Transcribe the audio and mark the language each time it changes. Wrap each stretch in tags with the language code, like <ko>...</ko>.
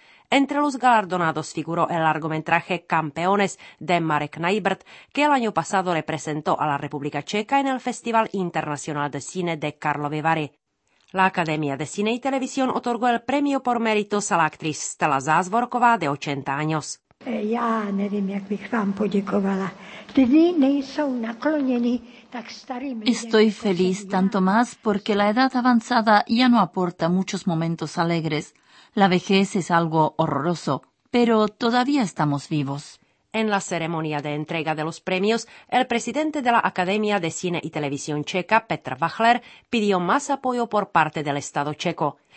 <es>Entre los galardonados figuró el largometraje Campeones, de Marek Nybert, que el año pasado representó a la República Checa en el Festival Internacional de Cine de Karlovy Vary. La Academia de Cine y Televisión otorgó el premio por méritos a la actriz Stella Zázvorková, de 80 años.</es> <cs>Já nevím, jak bych vám poděkovala. Dny nejsou nakloněny tak starým.</cs> <es>Estoy feliz tanto más porque la edad avanzada ya no aporta muchos momentos alegres. La vejez es algo horroroso, pero todavía estamos vivos. En la ceremonia de entrega de los premios, el presidente de la Academia de Cine y Televisión Checa, Petr Vachler, pidió más apoyo por parte del Estado checo.</es>